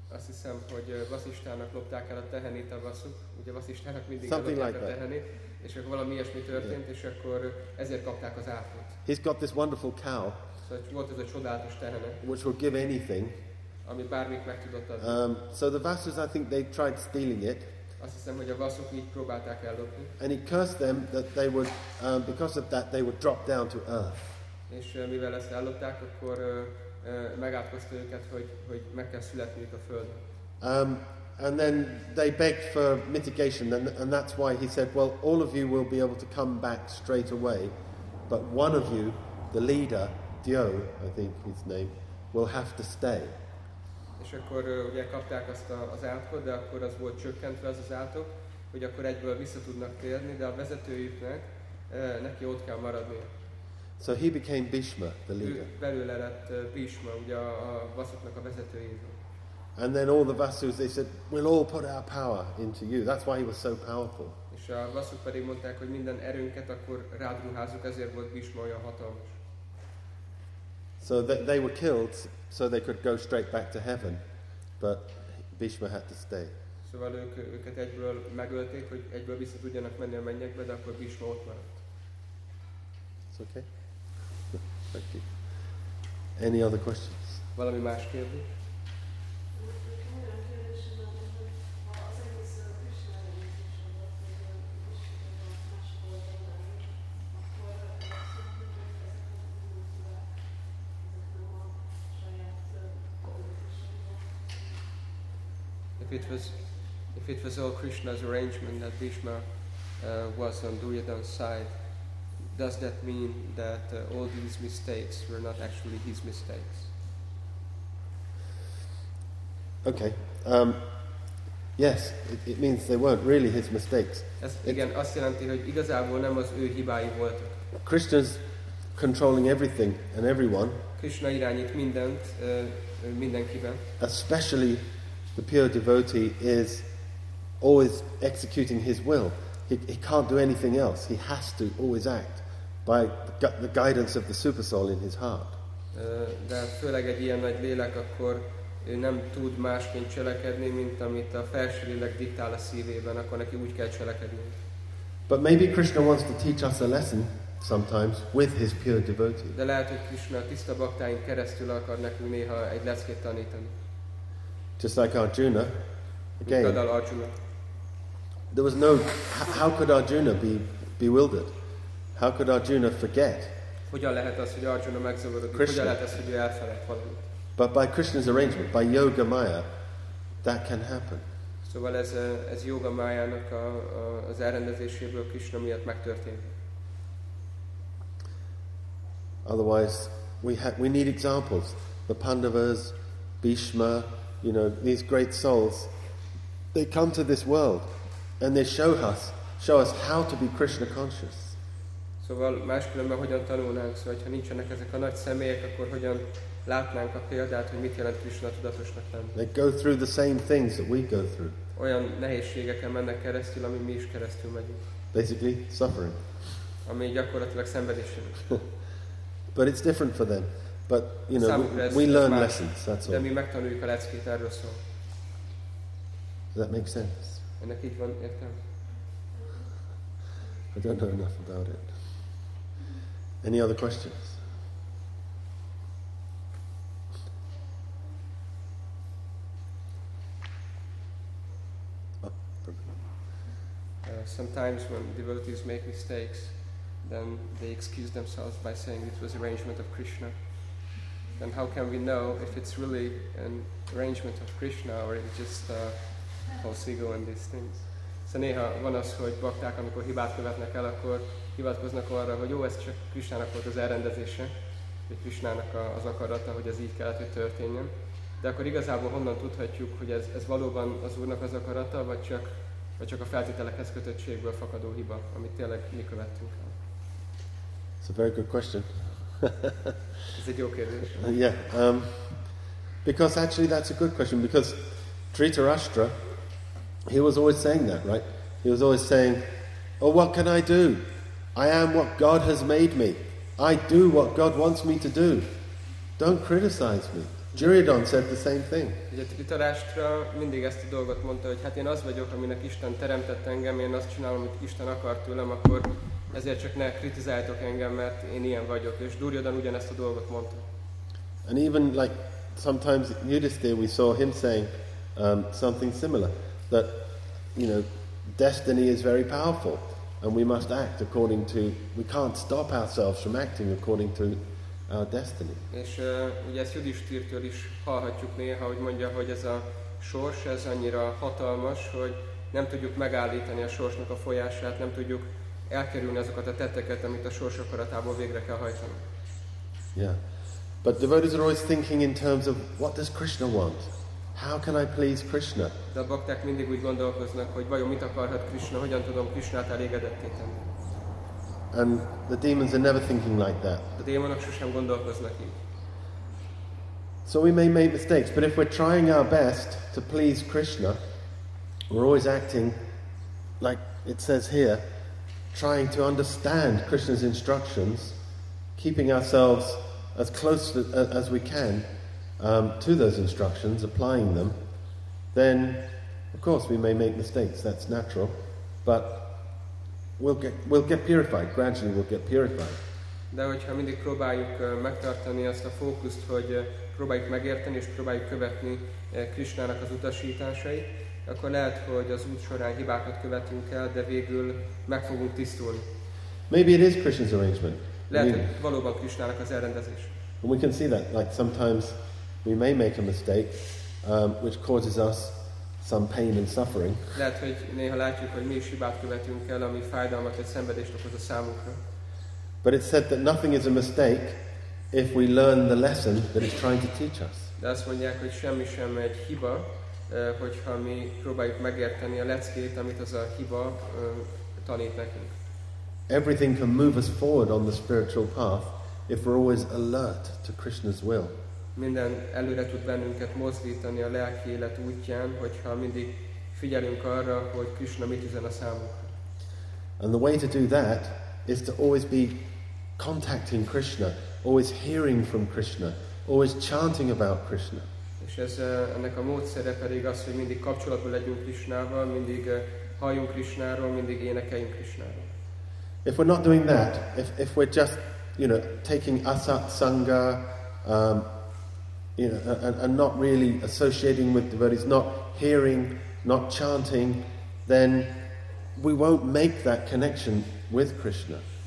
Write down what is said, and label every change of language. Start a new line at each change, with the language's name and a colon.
Hungarian: Azt hiszem, hogy Vasishtának lopták el a tehenét a vasuk. Ugye Vasishtának mindig
English: something
Hungarian: lopták
English: like
Hungarian: a tehenét. És akkor valami ilyesmi történt,
English: yeah.
Hungarian: És akkor ezért kapták az átkot.
English: He's got this wonderful cow.
Hungarian: Szóval volt ez a csodálatos tehene.
English: Which will give anything.
Hungarian: Ami bármit meg tudott adni.
English: So the Vasus, I think they tried stealing it.
Hungarian: Azt hiszem, hogy a vasuk így próbálták ellopni.
English: And he cursed them that they would, because of that, they would drop down to earth.
Hungarian: És mivel ezt ellopták, akkor megátkozta őket, hogy meg kell születniük a földön.
English: And then they begged for mitigation, and that's why he said, well, all of you will be able to come back straight away, but one of you, the leader, Dio, I think his name, will have to stay.
Hungarian: És akkor ugye kapták azt az átkot, de akkor az volt csökkentve az átok, hogy akkor egyből vissza tudnak térni, de a vezetőjüknek neki ott kell maradni.
English: So he became Bhishma, the leader.
Hungarian: Belőle lett Bhishma, ugye a vasuknak a vezetőjével.
English: And then all the vasus, they said, we'll all put our power into you. That's why he was so powerful.
Hungarian: És a vasuk pedig mondták, hogy minden erőnket akkor rád ruházunk, ezért volt Bhishma olyan hatalmas.
English: So they were killed, so they could go straight back to heaven, but Bhishma had to stay.
Hungarian: Szóval őket egyből megölték, hogy egyből vissza tudjanak menni a mennyekbe, de akkor Bhishma ott maradt.
English: It's okay. Thank you. Any other questions?
Hungarian: Valami más kérdés?
English: If it was all Krishna's arrangement that Bhishma was on Duryodhana's side, does that mean that all these mistakes were not actually his mistakes? Okay. Yes, it means they weren't really his mistakes.
Hungarian: Igen, azt jelenti, hogy igazából nem az ő hibái voltak.
English: Krishna's controlling everything and everyone.
Hungarian: Krishna irányít mindent mindenkiben.
English: Especially the pure devotee is always executing his will. He can't do anything else. He has to always act by the guidance of the Supersoul in his heart.
Hungarian: De főleg egy ilyen nagy lélek, akkor ő nem tud másként cselekedni, mint amit a felső lélek diktál a szívében, akkor neki úgy kell cselekedni.
English: But maybe Krishna wants to teach us a lesson sometimes with his pure devotee.
Hungarian: De lehet, hogy Krishna tiszta baktáin keresztül akar nekünk néha egy leckét tanítani.
English: Just like Arjuna, again, there was no, how could Arjuna be bewildered? How could Arjuna forget?
Hungarian: Hogyan lehet az, hogy Arjuna megzavarodik? Krishna. Hogyan lehet az, hogy ő elfelejt valamit?
English: But by Krishna's arrangement, by yoga maya, that can happen.
Hungarian: Szóval ez yoga mayának az elrendezéséből Krishna miatt megtörtént.
English: Otherwise, we need examples. The Pandavas, Bhishma, you know, these great souls, they come to this world and they show us how to be Krishna conscious.
Hungarian: Szóval máskülönben hogyan tanulnánk, szóval ha nincsenek ezek a nagy személyek, akkor hogyan látnánk a példát, hogy mit jelent Krishna tudatosnak lenni?
English: They go through the same things that we go through.
Hungarian: Olyan nehézségeken mennek keresztül, ami mi is keresztül megyünk.
English: Basically, suffering.
Hungarian: Ami gyakorlatilag szenvedésünk.
English: But it's different for them. But you know, we learn más lessons. That's all.
Hungarian: De mi megtanuljuk a leckét, erről szól.
English: Does that make sense?
Hungarian: Ennek így van értelme.
English: I don't know enough about it. Any other questions? Sometimes when devotees make mistakes, then they excuse themselves by saying it was arrangement of Krishna. Then how can we know if it's really an arrangement of Krishna or it's just false ego and these things?
Hungarian: Szóval néha van az, hogy bakták, amikor hibát követnek el, akkor hivatkoznak arra, hogy jó, ez csak Krishnának volt az elrendezése, hogy Krishnának az akarata, hogy ez így kellett, hogy történjen. De akkor igazából honnan tudhatjuk, hogy ez valóban az Úrnak az akarata, vagy csak a feltételekhez kötöttségből fakadó hiba, amit tényleg mi követtünk el?
English: It's a very good question.
Hungarian: Ez egy jó kérdés.
English: Yeah, because actually that's a good question, because Dhritarashtra, he was always saying that, right? He was always saying, oh, what can I do? I am what God has made me. I do what God wants me to do. Don't criticize me. Duryodhan said the same thing.
Hungarian: Ugye Dhritarashtra mindig ezt a dolgot mondta, hogy hát én az vagyok, aminek Isten teremtett engem, én azt csinálom, amit Isten akar tőlem, akkor ezért csak ne kritizáljatok engem, mert én ilyen vagyok. És Duryodhan ugyanezt a dolgot mondta.
English: And even like sometimes Yudhisthira, we saw him saying something similar. That, you know, destiny is very powerful and we must act according to, we can't stop ourselves from acting according to our destiny.
Hungarian: És ugye ezt Yudhisthirtől is hallhatjuk néha, hogy mondja, hogy ez a sors, ez annyira hatalmas, hogy nem tudjuk megállítani a sorsnak a folyását, nem tudjuk elkerülni azokat a tetteket, amit a sors akaratából végre kell hajtani.
English: Yeah. But devotees are always thinking in terms of what does Krishna want? How can I please Krishna?
Hungarian: De a bakták mindig úgy gondolkoznak, hogy vajon mit akarhat Krishna, hogyan tudom Krishnát elégedetté tenni.
English: And the demons are never thinking like that.
Hungarian: A démonok sosem gondolkoznak így.
English: So we may make mistakes, but if we're trying our best to please Krishna, we're always acting like it says here, trying to understand Krishna's instructions, keeping ourselves as close as we can to those instructions, applying them, then of course we may make mistakes, that's natural, but we'll get purified, gradually we'll get purified.
Hungarian: De hogyha mindig próbáljuk megtartani azt a fókuszt, hogy próbáljuk megérteni és próbáljuk követni Krisnának az utasításait, akkor lehet, hogy az út során hibákat követünk el, de végül meg fogunk tisztulni.
English: Maybe it is Krishna's arrangement.
Hungarian: Lehet, hogy valóban Krisnának az elrendezés.
English: And we can see that, like sometimes we may make a mistake, which causes us some pain and suffering.
Hungarian: Lehet, hogy néha látjuk, hogy mi is hibát követünk el, ami fájdalmat vagy szenvedést okoz a számunkra.
English: But it's said that nothing is a mistake if we learn the lesson that it's trying to teach us.
Hungarian: De azt mondják, hogy semmi sem egy hiba, hogyha mi próbáljuk megérteni a leckét, amit az a hiba tanít nekünk.
English: Everything can move us forward on the spiritual path if we're always alert to Krishna's will.
Hungarian: Minden előre tud bennünket mozdítani a lelki élet útján, hogyha mindig figyelünk arra, hogy Krishna mit üzen a számunkra.
English: And the way to do that is to always be contacting Krishna, always hearing from Krishna, always chanting about Krishna.
Hungarian: És ez ennek a módszere pedig az, hogy mindig kapcsolatban legyünk Krishnával, mindig halljunk Krishnáról, mindig énekeljünk Krishnáról.
English: If we're not doing that, if we're just, you know, taking asat sangha, you know, and not really associating with devotees, not hearing, not chanting, then we won't make that connection with Krishna.